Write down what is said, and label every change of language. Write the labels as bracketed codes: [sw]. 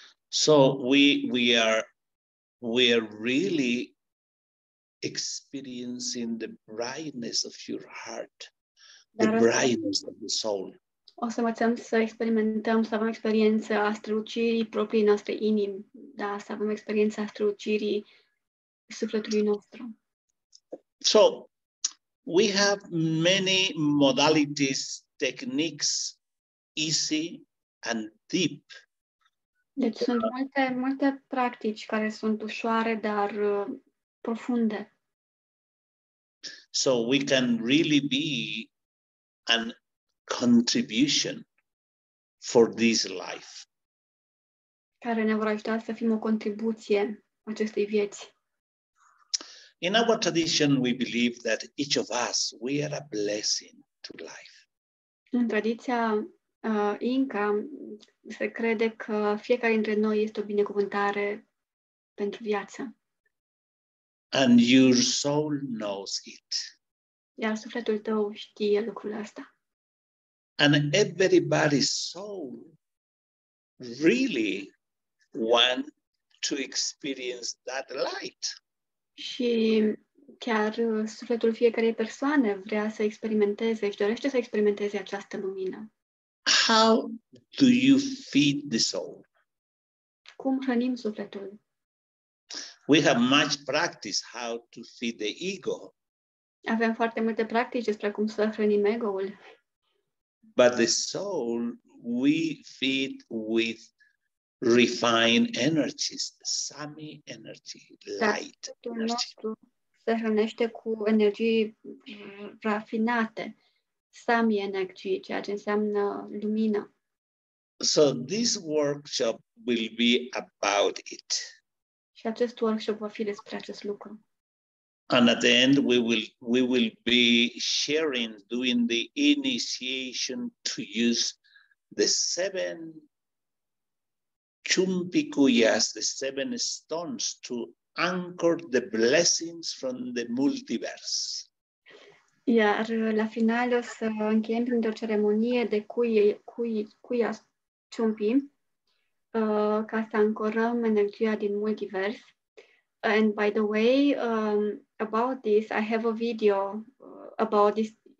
[en] So we are really experiencing the brightness of your heart, the brightness of the soul. [ro] O să învățăm să experimentăm, să avem experiența strălucirii proprii noastre inimi, da, să avem experiența strălucirii sufletului nostru. [en] So we have many modalities, techniques, easy and deep. [ro] Deci sunt multe practici care sunt ușoare, dar profunde. [en] So we can really be a contribution for this life. [ro] Care ne vor ajuta să fim o contribuție acestei vieți. [en] In our tradition, we believe that each of us, we are a blessing to life. [ro] În tradiția Inca, se crede că fiecare dintre noi este o binecuvântare pentru viață. [en] And your soul knows it. [ro] Iar sufletul tău știe lucrul ăsta. [en] And everybody's soul really wants to experience that light. [ro] Și chiar sufletul fiecarei persoane vrea să experimenteze și dorește să experimenteze această lumină. [en] How do you feed the soul? [ro] Cum hrănim sufletul? [en] We have much practice how to feed the ego. [ro] Avem foarte multe practici despre cum să hrănim ego-ul. [en] But the soul we feed with refined energies, sami energy, light energy. [ro] Se hrănește cu energii rafinate, sami energy, ceea ce înseamnă lumină. [en] So this workshop will be about it. [ro] Și acest workshop va fi despre acest lucru. [en] And at the end we will be sharing, doing the initiation to use the 7 Chumpikuyas, the 7 stones to anchor the blessings from the multiverse. [ro] Iar la final o să încheiem printr-o ceremonie de cuias chumpi ca să ancorăm energia din multivers. [en] And by the way, about this, I have a video about this.